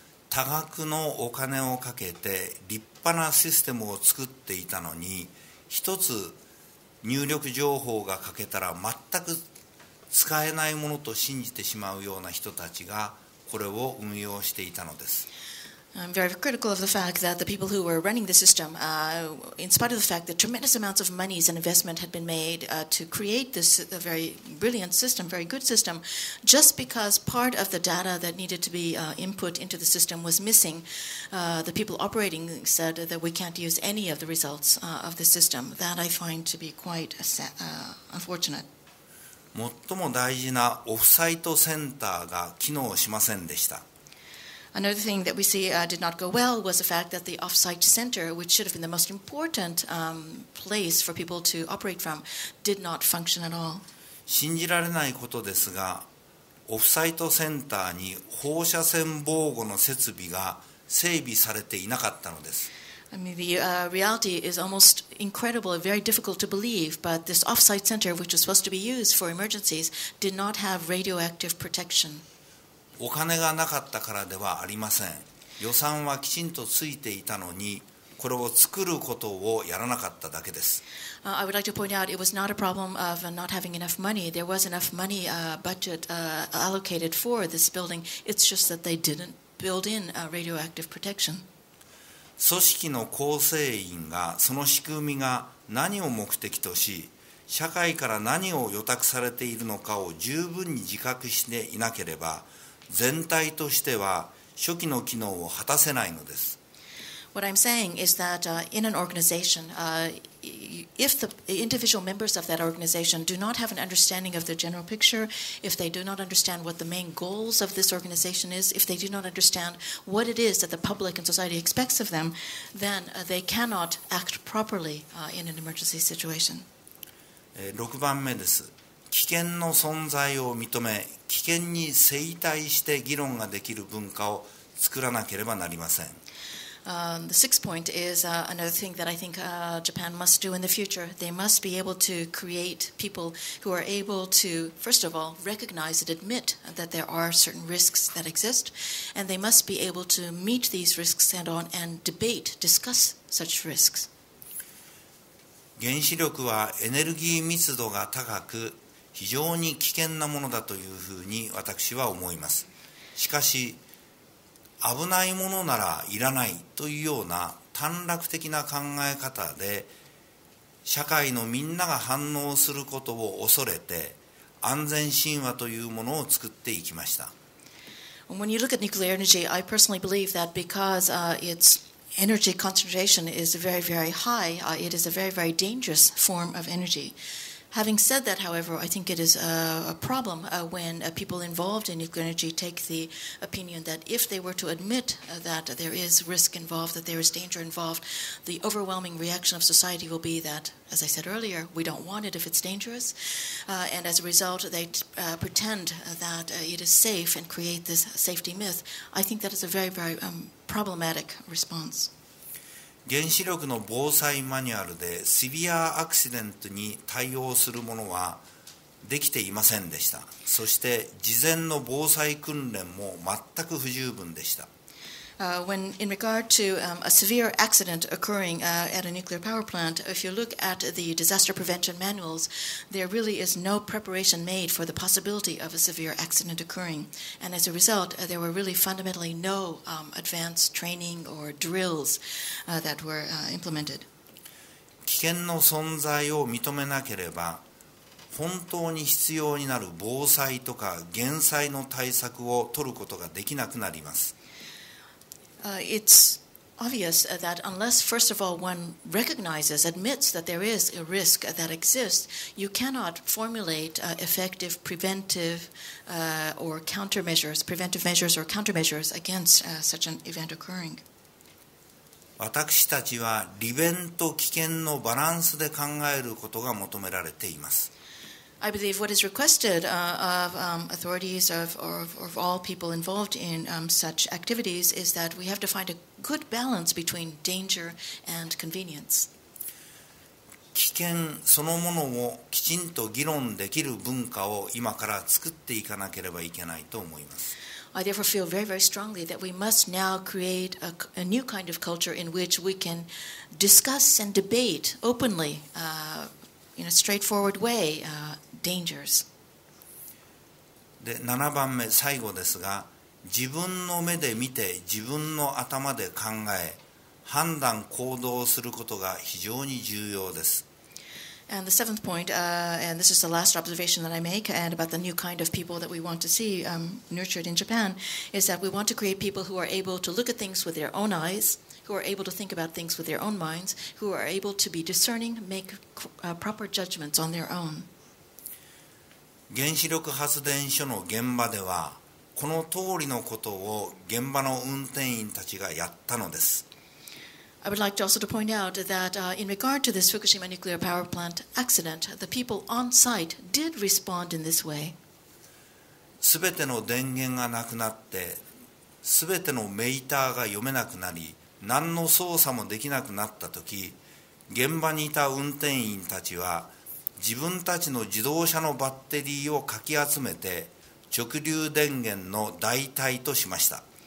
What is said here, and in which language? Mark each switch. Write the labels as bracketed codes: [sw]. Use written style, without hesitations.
[ja] 多額のお金をかけて立派なシステムを作っていたのに、一つ入力情報が欠けたら全く使えないものと信じてしまうような人たちがこれを運用していたのです。 [en] I'm very critical of the fact that the people who were running the system, in spite of the fact that tremendous amounts of monies and investment had been made to create this very brilliant system, very good system, just because part of the data that needed to be input into the system was missing, the people operating said that we can't use any of the results of the system. That I find to be quite unfortunate. [ja] 最も大事なオフサイトセンターが機能しませんでした。 [en] Another thing that we see did not go well was the fact that the off-site center, which should have been the most important place for people to operate from, did not function at all. [ja] 信じられないことですが、オフサイトセンターに放射線防護の設備が整備されていなかったのです。 [en] I mean, the reality is almost incredible, very difficult to believe, but this off-site center, which was supposed to be used for emergencies, did not have radioactive protection. [ja] お金がなかったからではありません。予算はきちんとついていたのに、これを作ることをやらなかっただけです。 [en] I would like to point out it was not a problem of not having enough money. There was enough money budget allocated for this building. It's just that they didn't build in radioactive protection. [ja] 組織の構成員がその仕組みが何を目的とし、社会から何を予託されているのかを十分に自覚していなければ、全体としては初期の機能を果たせないのです。 [en] What I'm saying is that in an organization, if the individual members of that organization do not have an understanding of the general picture, if they do not understand what the main goals of this organization is, if they do not understand what it is that the public and society expects of them, then they cannot act properly in an emergency situation. [ja] 6番目です。危険の存在を認め、危険に正対して議論ができる文化を作らなければなりません。 [en] The sixth point is another thing that I think Japan must do in the future. They must be able to create people who are able to, first of all, recognize and admit that there are certain risks that exist, and they must be able to meet these risks head-on and debate, discuss such risks. [ja] 原子力はエネルギー密度が高く、非常に危険なものだというふうに私は思います。しかし、危ないものならいらないというような短絡的な考え方で社会のみんなが反応することを恐れて安全神話というものを作っていきました。 [en] When you look at nuclear energy, I personally believe that because its energy concentration is very, very high, it is a very, very dangerous form of energy. Having said that, however, I think it is a problem when people involved in nuclear energy take the opinion that if they were to admit that there is risk involved, that there is danger involved, the overwhelming reaction of society will be that, as I said earlier, we don't want it if it's dangerous. And as a result, they pretend that it is safe and create this safety myth. I think that is a very, very problematic response. [ja] 原子力の防災マニュアルでシビアアクシデントに対応するものはできていませんでした。そして事前の防災訓練も全く不十分でした。 [en] When in regard to a severe accident occurring at a nuclear power plant, if you look at the disaster prevention manuals, there really is no preparation made for the possibility of a severe accident occurring. And as a result, there were really fundamentally no advanced training or drills that were implemented. [ja] 危険の存在を認めなければ、本当に必要になる防災とか減災の対策を取ることができなくなります。 [en] It's obvious that unless, first of all, one recognizes, admits that there is a risk that exists, you cannot formulate effective preventive or countermeasures, preventive measures or countermeasures against such an event occurring. [ja] 私たちは利便と危険のバランスで考えることが求められています。 [en] I believe what is requested of authorities of all people involved in such activities is that we have to find a good balance between danger and convenience. [ja] 危険そのものをきちんと議論できる文化を今から作っていかなければいけないと思います。 [en] I therefore feel very, very strongly that we must now create a new kind of culture in which we can discuss and debate openly in a straightforward way. Dangers. [ja] で、7番目、最後ですが、自分の目で見て、自分の頭で考え、判断、行動することが非常に重要です。 [en] And the seventh point, and this is the last observation that I make, and about the new kind of people that we want to see nurtured in Japan, is that we want to create people who are able to look at things with their own eyes, who are able to think about things with their own minds, who are able to be discerning, make proper judgments on their own. [ja] 原子力発電所の現場ではこの通りのことを現場の運転員たちがやったのです。 [en] I would like to also to point out that in regard to this Fukushima nuclear power plant accident, the people on site did respond in this way. [ja] すべての電源がなくなって、すべてのメーターが読めなくなり、何の操作もできなくなったとき、現場にいた運転員たちは自分たちの自動車のバッテリーをかき集めて直流電源の代替としました。